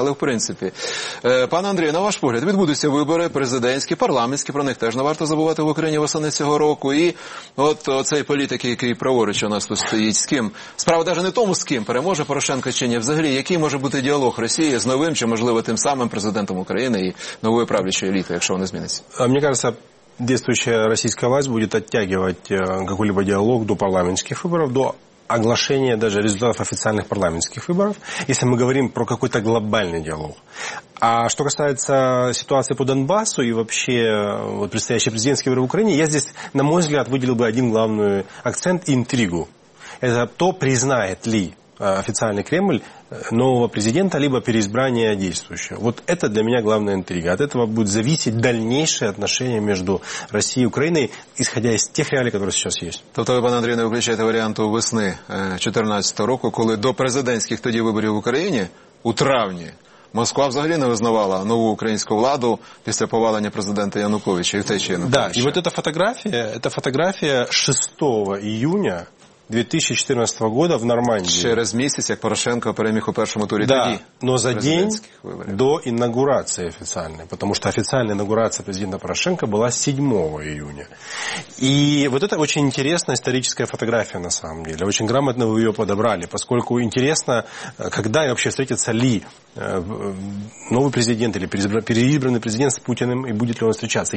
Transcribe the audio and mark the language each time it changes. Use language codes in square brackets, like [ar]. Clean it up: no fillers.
[uk] Але, в принципі, пане Андрію, на ваш погляд, відбудуться вибори президентські, парламентські, про них теж не варто забувати в Україні восени цього року. І от цей політик, який праворуч у нас тут стоїть, з ким? Справа навіть не тому, з ким переможе Порошенко чи ні, взагалі. Який може бути діалог Росії з новим чи, можливо, тим самим президентом України і новою правлячою елітою, якщо вони зміниться? [ru] Мені кажется, действующая российская власть будет оттягивать какой-либо диалог до парламентских выборов, до оглашения даже результатов официальных парламентских выборов, если мы говорим про какой-то глобальный диалог. А что касается ситуации по Донбассу и вообще вот предстоящие президентские выборы в Украине, я здесь, на мой взгляд, выделил бы один главный акцент – интригу. Это то, признает ли официальный Кремль нового президента, либо переизбрание действующего. Вот это для меня главная интрига. От этого будет зависеть дальнейшее отношение между Россией и Украиной, исходя из тех реалий, которые сейчас есть. То есть вы, пан Андрей, не выключаете варианту весны 2014 года, когда до президентских [uk] тоді [ru] выборов в Украине, [uk] у травні, Москва взагалі не визнавала нову українську владу після повалення президента Януковича і втечі. [ru] Да, и вот эта фотография, 6 июня 2014 года в Нормандии. [uk] Через месяц, как Порошенко переміг у першому турі. [ru] Да, но за день до инаугурации официальной, потому что официальная инаугурация президента Порошенко была 7 июня. И вот это очень интересная историческая фотография на самом деле. Очень грамотно вы ее подобрали, поскольку интересно, когда и вообще встретится ли новый президент или переизбранный президент с Путиным, и будет ли он встречаться.